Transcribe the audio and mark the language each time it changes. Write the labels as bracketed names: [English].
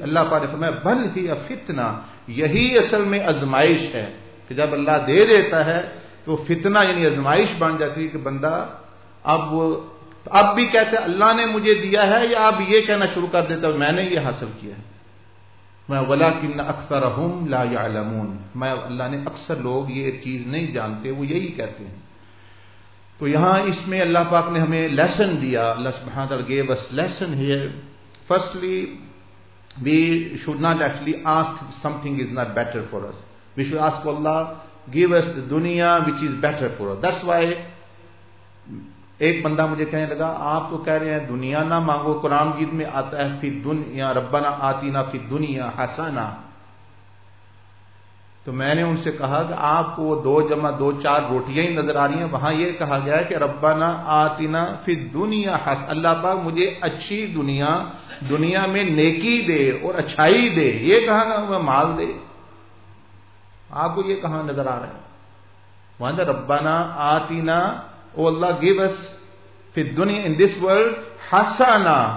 [Urdu] اللہ پاک نے فرمایا [Arabic] بل ہی فتنہ، [Urdu] یہی اصل میں ازمائش ہے کہ جب اللہ دے دیتا ہے تو فتنہ یعنی ازمائش بن جاتی ہے کہ بندہ اب وہ اب بھی کہتے اللہ نے مجھے دیا ہے، یا اب یہ کہنا شروع کر دیتا ہے میں نے یہ حاصل کیا ہے. میں [Arabic] ولکن اکثرہم لا یعلمون، [Urdu] میں اللہ نے اکثر لوگ یہ چیز نہیں جانتے، وہ یہی کہتے ہیں. تو یہاں اس میں اللہ پاک نے ہمیں لیسن دیا، اللہ سبحانہ تعالیٰ [English] gave us lesson here. Firstly, we should not actually ask something is not better for us. We should ask Allah, give us the duniya which is better for us. That's why [Urdu] ایک بندہ مجھے کہنے لگا آپ تو کہہ رہے ہیں دنیا نہ مانگو، قرآن گیت میں آتا ہے فی دنیا [Arabic] ربنا آتینا فی دنیا حسنہ. [Urdu] تو میں نے ان سے کہا کہ آپ کو دو جمع دو چار روٹیاں ہی نظر آ رہی ہیں، وہاں یہ کہا گیا ہے کہ [Arabic] ربنا آتینا فی دنیا حسنہ، [Urdu] اللہ پاک مجھے اچھی دنیا، دنیا میں نیکی دے اور اچھائی دے، یہ کہا کہ ہمیں مال دے، آپ کو یہ کہاں نظر آ رہا ہے؟ وہاں ربنا آتینا [English] O Allah give us فی دنیا in this world [Urdu] حسنہ.